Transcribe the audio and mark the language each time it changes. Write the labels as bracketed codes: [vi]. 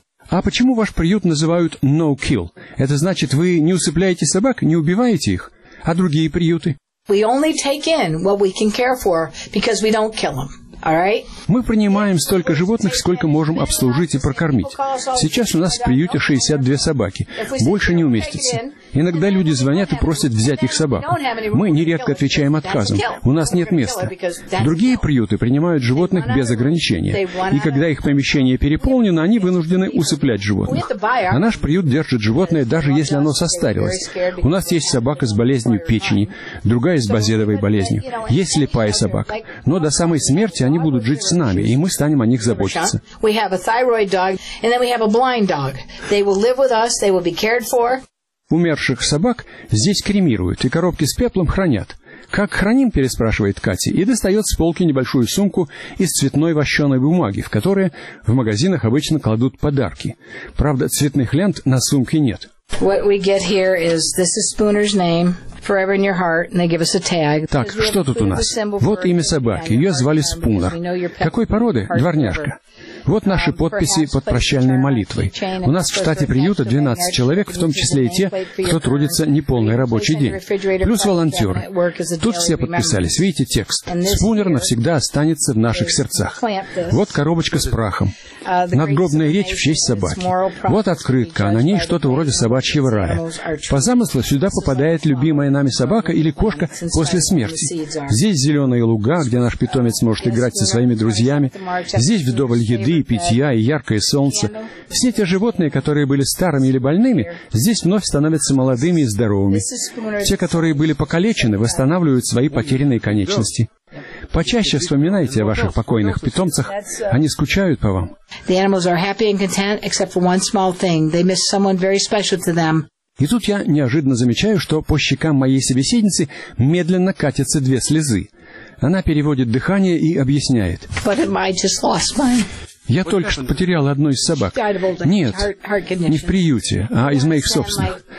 [ru] А почему ваш приют называют «no kill»? Это значит, вы не усыпляете собак, не убиваете их, а другие приюты? [en] We only take in what we can care for, because we don't kill them. [ru] Мы принимаем столько животных, сколько можем обслужить и прокормить. Сейчас у нас в приюте 62 собаки. Больше не уместится. Иногда люди звонят и просят взять их собаку. Мы нередко отвечаем отказом. У нас нет места. Другие приюты принимают животных без ограничения. И когда их помещение переполнено, они вынуждены усыплять животных. А наш приют держит животное, даже если оно состарилось. У нас есть собака с болезнью печени, другая с базедовой болезнью. Есть слепая собака. Но до самой смерти они будут жить с нами, и мы станем о них заботиться. [en] We have a thyroid dog, and then we have a blind dog. They will live with us, they will be cared for. [ru] Умерших собак здесь кремируют, и коробки с пеплом хранят. «Как храним?» – переспрашивает Катя, и достает с полки небольшую сумку из цветной вощеной бумаги, в которой в магазинах обычно кладут подарки. Правда, цветных лент на сумке нет. [en] What we get here is, this is Spooner's name. Forever in your heart, and they give us a tag. [ru] Так, что тут у нас? Вот имя собаки. Ее звали Спунер. Какой породы? Дворняжка. Вот наши подписи под прощальной молитвой. У нас в штате приюта 12 человек, в том числе и те, кто трудится неполный рабочий день. Плюс волонтеры. Тут все подписались. Видите текст? Спунер навсегда останется в наших сердцах. Вот коробочка с прахом. Надгробная речь в честь собаки. Вот открытка, а на ней что-то вроде собачьего рая. По замыслу сюда попадает любимая нами собака или кошка после смерти. Здесь зеленые луга, где наш питомец может играть со своими друзьями. Здесь вдоволь еды и питья, и яркое солнце. Все те животные, которые были старыми или больными, здесь вновь становятся молодыми и здоровыми. Те, которые были покалечены, восстанавливают свои потерянные конечности. Почаще вспоминайте о ваших покойных питомцах. Они скучают по вам. [en] The animals are happy and content, except for one small thing. They miss someone very special to them. [ru] И тут я неожиданно замечаю, что по щекам моей собеседницы медленно катятся две слезы. Она переводит дыхание и объясняет. [en] But am I just lost mine? [ru] Я только что потеряла одну из собак. Нет, не в приюте, а из моих собственных.